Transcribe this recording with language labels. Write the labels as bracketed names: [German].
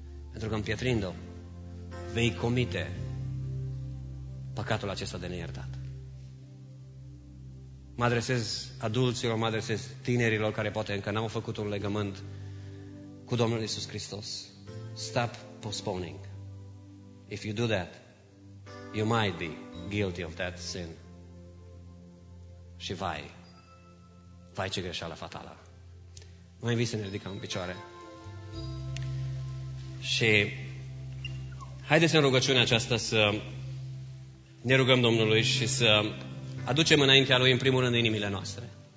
[Romanian] Pentru că împietrind-o, vei comite păcatul acesta de neiertat. Mă adresez adulților, mă adresez tinerilor care poate încă n-au făcut un legământ cu Domnul Iisus Hristos. [English] Stop postponing. If you do that, you might be guilty of that sin. [Romanian] Și vai, vai ce greșeală fatală. Mă invit să ne ridicăm în picioare. Și haideți în rugăciunea aceasta să ne rugăm Domnului și să aducem înaintea Lui în primul rând inimile noastre.